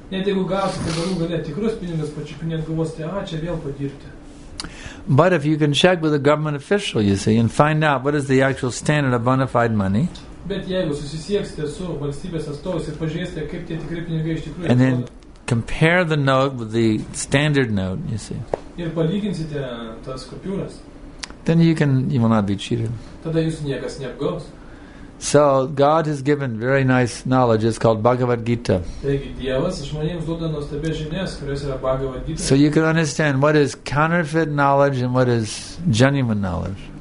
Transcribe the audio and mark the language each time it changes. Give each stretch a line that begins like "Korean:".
English: But if you can check with a government official, you see, and find out what is the actual standard of bona fide money, and then compare the note with the standard note, you see,
Lithuanian: ir palyginsite tas kupiūras,
English: then you will not be cheated.
Lithuanian: Tada jūsų niekas neapgaus.
English: So God has given very nice knowledge. It's called Bhagavad Gita. So you can understand what is counterfeit knowledge and what is genuine knowledge.